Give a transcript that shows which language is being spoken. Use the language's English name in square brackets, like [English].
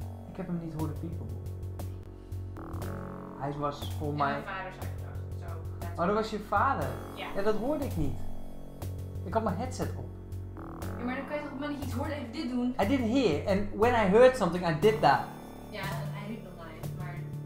[Dutch] Ik heb hem niet horen piepen. Hij was voor mij. Mijn vader zei het ook. Oh, dat was je vader? Ja. Ja, dat hoorde ik niet. Ik had mijn headset op. Ja, maar dan kan je toch op het moment dat je iets hoort even dit doen? [English] I didn't hear, and when I heard something, I did that. [Dutch] Ja, hij riep nog niet, maar...